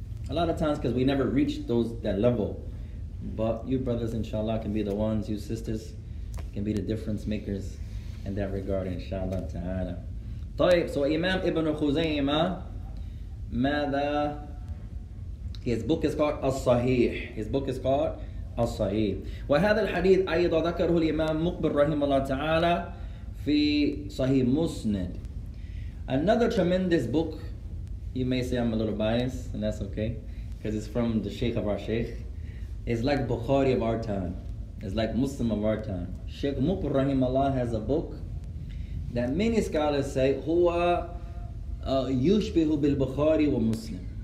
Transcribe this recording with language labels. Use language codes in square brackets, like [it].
[en] A lot of times because we never reached those that level, but you brothers, inshallah, can be the ones, you sisters, can be the difference makers in that regard, inshallah ta'ala. [ar] طيب, [en] so Imam Ibn Khuzaymah, [ar] ماذا? [en] His book is called As-Sahih. His book is called As-Sahih. [ar] وهذا الحديث أيضا ذكره الإمام مقبل رحمه الله تعالى في صحيح مسند. [en] Another tremendous book, you may say I'm a little biased, and that's okay, because it's from the Sheikh of our Sheikh. It's like Bukhari of our time. It's like Muslim of our time. Sheikh Mukbir Rahimallah has a book that many scholars say [ar] huwa yushbihu bil Bukhari wa Muslim.